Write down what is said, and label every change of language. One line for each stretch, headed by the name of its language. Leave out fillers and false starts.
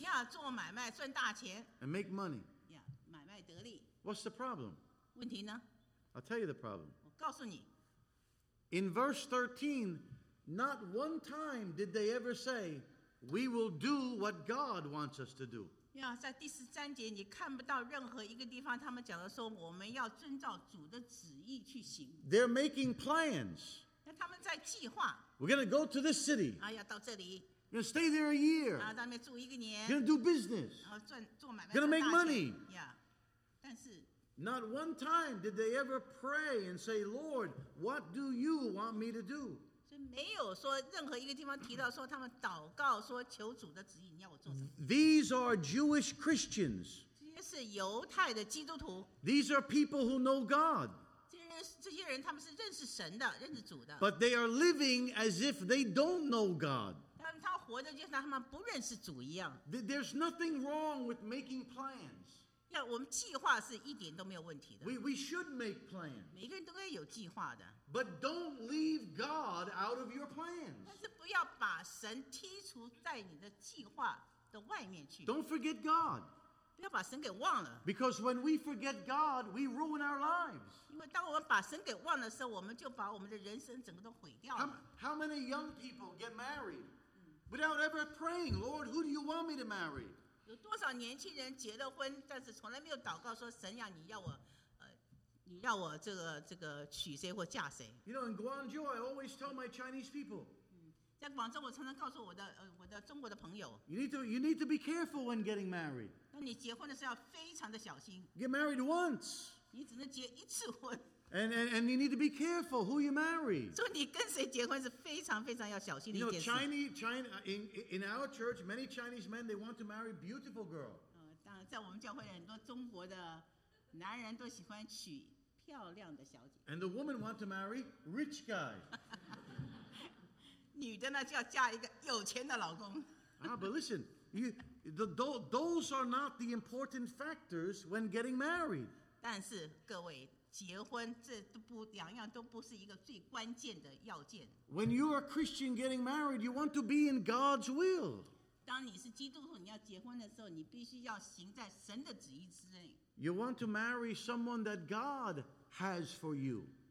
Chinese: 要做买卖赚大钱
English: And make money.
Chinese: 要买卖得利
English: What's the problem?
Chinese: 问题呢
English: I'll tell you the problem.
Chinese: 我告诉你
English: In verse 13, not one time did they ever say, we will do what God wants us to do.
Chinese: 呀、yeah, ，在第十三节你看不到任何一个地方，他们讲的说我们要遵照主的旨意去行。
English: They're making plans.
Chinese: 那他们在计划。
English: We're gonna go to this city.
Chinese: 要到这里。
English: We're gonna stay there a year.
Chinese: 在那边住一个年。
English: Gonna do business.
Chinese: 做买卖。
English: Gonna make money.
Chinese: 呀、yeah, ，但是。
English: Not one time did they ever pray and say, Lord, what do you want me to do?
Chinese: 所以没有说任何一个地方提到说他们祷告说求主的旨意。
English: These are Jewish Christians.
Chinese: 这些是犹太的基督徒。
English: These are people who know God.
Chinese: 这些人他们是认识神的，认识主的。
English: But they are living as if they don't know God.
Chinese: 他活着就像他们不认识主一样。
English: There's nothing wrong with making plans.
Chinese: 要我们计划是一点都没有问题的。
English: We should make plans.
Chinese: 每个人都应该有计划的。
English: But don't leave God out of your plans.
Chinese: 但是不要把神剔除在你的计划。
English: Don't forget God.
Chinese: 不要把神给忘了。
English: Because when we forget God, we ruin our lives.
Chinese: 因为当我们把神给忘了的时候，我们就把我们的人生整个都毁掉了。
English: How many young people get married without ever praying, Lord, who do you want me to marry?
Chinese: 有多少年轻人结了婚，但是从来没有祷告说，神呀，你要我，你要我这个娶谁或嫁谁
English: ？You know, in Guangzhou, I always tell my Chinese people.
Chinese: 在广州，我常常告诉我的中国的朋友。
English: You need to be careful when getting married.
Chinese: 那你结婚的时候要非常的小心。
English: Get married once.
Chinese: 你只能结一次婚。
English: And you need to be careful who you marry.
Chinese: 所以你跟谁结婚是非常非常要小心的一件事。
English: You know, China, in our church, many Chinese men, they want to marry beautiful girl.
Chinese: 当然，在我们教会很多中国的男人都喜欢娶漂亮的小姐。
English: And the woman want to marry rich guy.
Chinese: 女的呢，就要嫁一个有钱的老公。
English: But listen, those are not the important factors when getting married.
Chinese: 但是各位。结婚这不两样都不是一个最关键的要件。
English: When you are a Christian getting married, you want to be in God's will.
Chinese: 当你是基督徒，你要结婚的时候，你必须要行在神的旨意之内。
English: You want to marry someone that God has for you.